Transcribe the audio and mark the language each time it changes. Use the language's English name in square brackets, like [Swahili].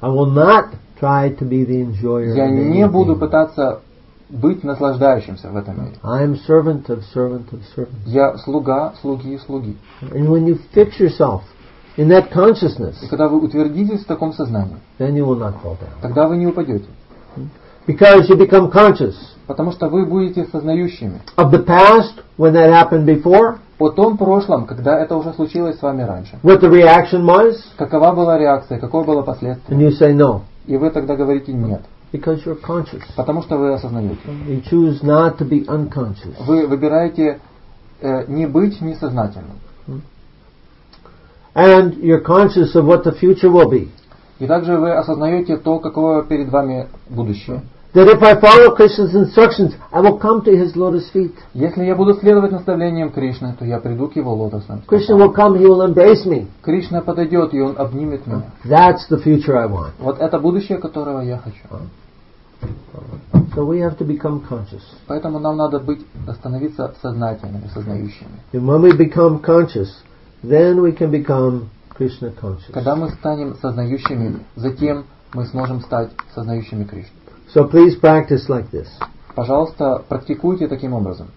[English] I will not try to be the enjoyer. [Russian] Я не буду пытаться быть наслаждающимся в этом мире. [English] I am servant of servant of servant. [Russian] Я слуга, слуги и слуги. [English] And when you fix yourself in that consciousness, [Russian] и когда вы утвердитесь в таком сознании, [English] then you will not fall down. [Russian] Тогда вы не упадете. [English] Because you become conscious. [Russian] Потому что вы будете сознающими. [English] Of the past, when that happened before. [Russian] О том прошлом, когда это уже случилось с вами раньше. [English] What the reaction was? [Russian] Какова была реакция, какое было последствие? [English] And you say no. [Russian] И вы тогда говорите нет. [English] Because you're conscious. [Russian] Потому что вы осознаете. [English] You choose not to be unconscious. [Russian] Вы выбираете не быть несознательным. [English] And you're conscious of what the future will be. [Russian] И также вы осознаете то, каково перед вами будущее. [English] that if I follow Krishna's instructions, I will come to his lotus feet. [Russian] Если я буду следовать наставлениям Кришны, то я приду к его лотосам. [English] Krishna will come, he will embrace me. [Russian] Кришна подойдет, и он обнимет меня. [English] That's the future I want. [Russian] Вот это будущее, которого я хочу. [English] So we have to become conscious. [Russian] Поэтому нам надо быть, становиться сознательными, сознающими. [English] And when we become conscious, then we can become Krishna conscious. [Russian] Когда мы станем сознающими, затем мы сможем стать сознающими Кришны. [English] So please practice like this. [Russian] Пожалуйста, практикуйте таким образом.